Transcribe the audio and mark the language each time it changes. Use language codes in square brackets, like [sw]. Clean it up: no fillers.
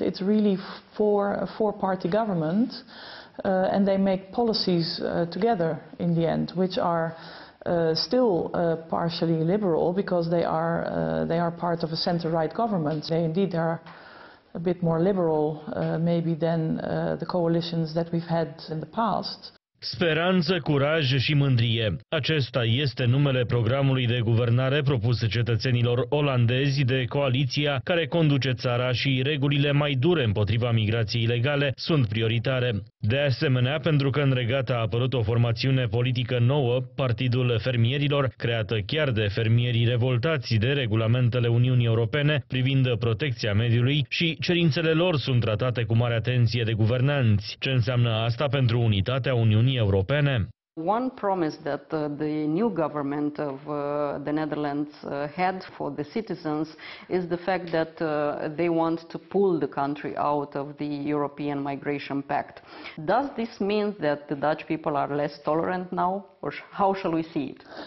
[en] It's really a four-party government, and they make policies together in the end, which are still partially liberal because they are part of a center-right government. They indeed are a bit more liberal maybe than the coalitions that we've had in the past. [ro] Speranță, curaj și mândrie. Acesta este numele programului de guvernare propus cetățenilor olandezi de coaliția care conduce țara și regulile mai dure împotriva migrației ilegale sunt prioritare. De asemenea, pentru că în Regat a apărut o formațiune politică nouă, Partidul Fermierilor, creată chiar de fermierii revoltați de regulamentele Uniunii Europene privind protecția mediului și cerințele lor sunt tratate cu mare atenție de guvernanți. Ce înseamnă asta pentru unitatea Uniunii Europene? [en] One promise that the new government of the Netherlands had for the citizens is the fact that they want to pull the country out of the European Migration Pact. Does this mean that the Dutch people are less tolerant now, or how shall we see it?